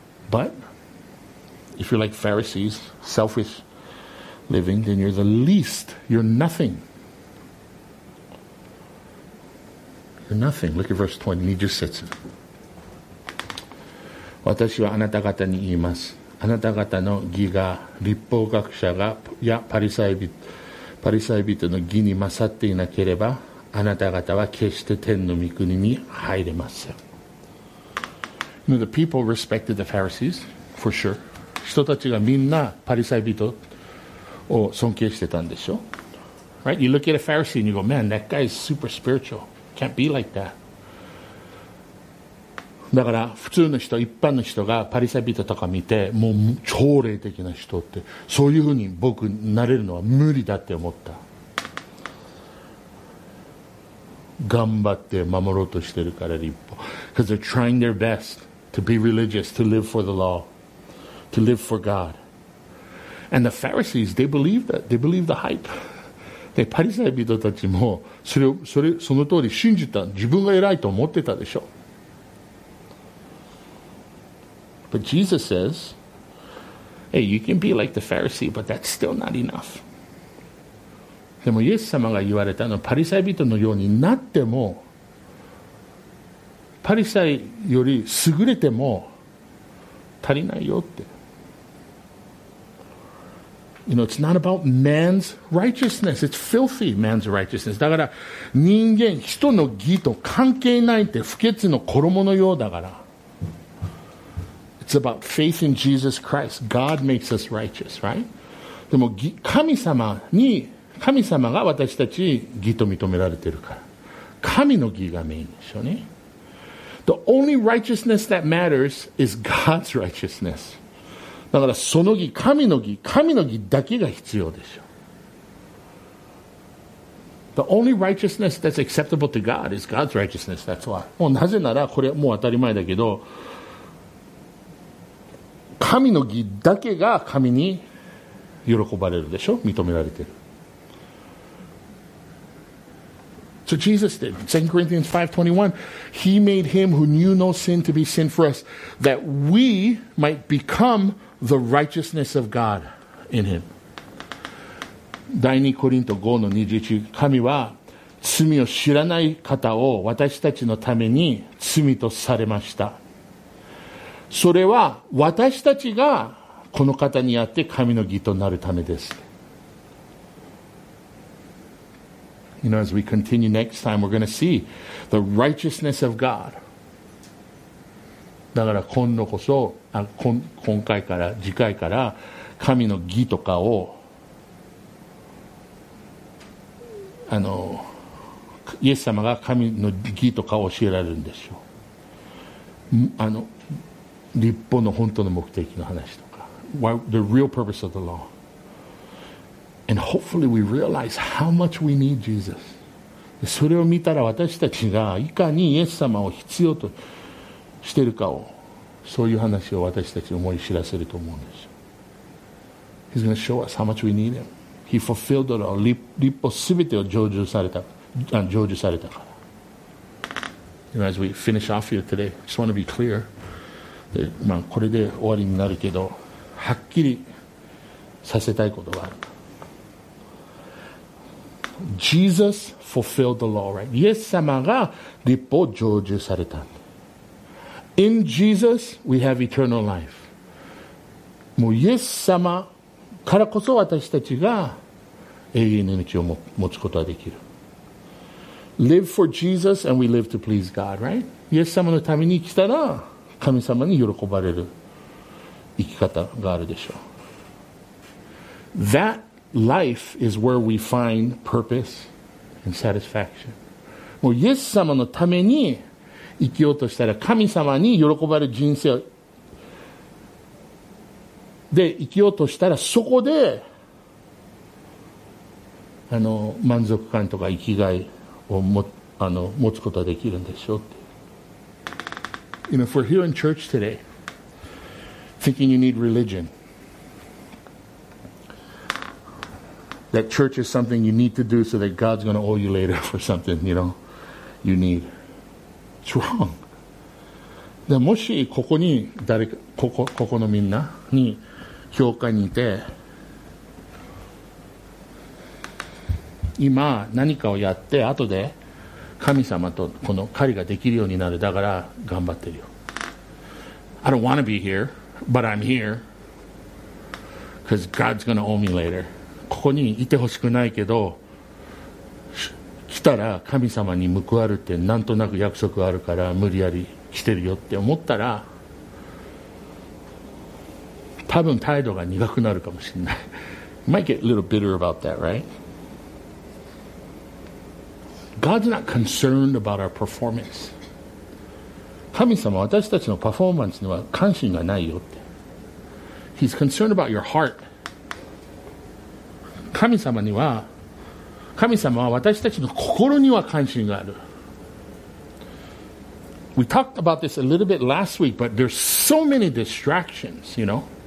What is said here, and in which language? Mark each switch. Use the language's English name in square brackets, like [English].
[English] But if you're like Pharisees, selfishliving, then you're the least. You're nothing. You're nothing. Look at verse 20. [Japanese] 20節。私はあなた方に言います。あなた方の義が律法学者がやパリサイ人の義に勝っていなければ、あなた方は決して天の御国に入れません。 [English] You know, the people respected the Pharisees, for sure. [Japanese] 人たちがみんなパリサイ人を尊敬してたんでしょ。 [English] Right? You look at a Pharisee and you go, man, that guy is super spiritual. Can't be like that. [Japanese] だから普通の人、一般の人がパリサイ人とか見て、もう超霊的な人って、そういうふうに僕になれるのは無理だって思った。頑張って守ろうとしてるから立法。 [English] Because they're trying their best to be religious, to live for the law, to live for God. And the Pharisees, they believe that. They believe the hype. [Japanese] でパリサイ人たちもそれその通り信じた、自分が偉いと思ってたでしょ。 [English] But Jesus says, hey, you can be like the Pharisee, but that's still not enough. [Japanese] でもイエス様が言われたのは、パリサイ人のようになっても、パリサイより優れても足りないよって。 [English] You know, it's not about man's righteousness. It's filthy, man's righteousness. [Japanese] だから人間、人の義と関係ないって、不潔の衣のようだから。 [English] It's about faith in Jesus Christ. God makes us righteous, right? [Japanese] でも神様が私たち義と認められてるから。神の義がメインでしょうね。 [English] The only righteousness that matters is God's righteousness. [Japanese] だからその義、神の義、神の義だけが必要でしょう。 [English] The only righteousness that's acceptable to God is God's righteousness, that's why. [Japanese] もうなぜなら、これもう当たり前だけど、神の義だけが神に喜ばれるでしょ、認められてる。 [English] So Jesus did. 2 Corinthians 5:21. He made him who knew no sin to be sin for us, that we might become... The righteousness of God in him. [Japanese] 第2コリント5の21、神は罪を知らない方を私たちのために罪とされました。それは私たちがこの方にあって神の義となるためです。 [English] You know, as we continue next time, we're going to see the righteousness of God. [Japanese] だから今度こそ、今回から次回から神の義とかを、イエス様が神の義とかを教えられるんでしょう。立法の本当の目的の話とか。 [English] Why, the real purpose of the law. And hopefully we realize how much we need Jesus. [Japanese] それを見たら私たちがいかにイエス様を必要としてるかを、そういう話を私たちに思い知らせると思うんです。 [English] He's going to show us how much we need him. He fulfilled it all. [Japanese] 立法すべてを成就されたから。 [English] You know, as we finish off here today, I just want to be clear. [Japanese] で、まあ、これで終わりになるけど、はっきりさせたいことがある。 [English] Jesus fulfilled the law, right? [Japanese] イエス様が立法を成就されたんだ。 [English] In Jesus, we have eternal life. [Japanese] もうイエス様からこそ私たちが永遠の命を持つことができる。 [English] Live for Jesus and we live to please God, right? [Japanese] イエス様のために生きたら神様に喜ばれる生き方があるでしょう。 [English] That life is where we find purpose and satisfaction. [Japanese] もうイエス様のために生きようとしたら、神様に喜ばれる人生で生きようとしたら、そこで満足感とか生きがいを持つことができるんでしょうって。 [English] You know, if we're here in church today, thinking you need religion, that church is something you need to do so that God's going to owe you later for something, you know, you need. Wrong. [Japanese] でもしここに誰か、ここのみんなに教会にいて、今何かをやって後で神様とこの狩りができるようになる、だから頑張ってるよ。 [English] I don't want to be here, but I'm here because God's going to owe me later. [Japanese] ここにいてほしくないけど、来たたら神様に報われるってなんとなく約束があるから無理やり来てるよって思ったら多分態度が苦くなるかもしれない。 [English] You might get a little bitter about that, right? God's not concerned about our performance. [Japanese] 神様は私たちのパフォーマンスには関心がないよって。 [English] He's concerned about your heart. [Japanese] 神様には神様は私たちの心には関心がある。 [English] We talked about this a little bit last week, but there's so many distractions, you know?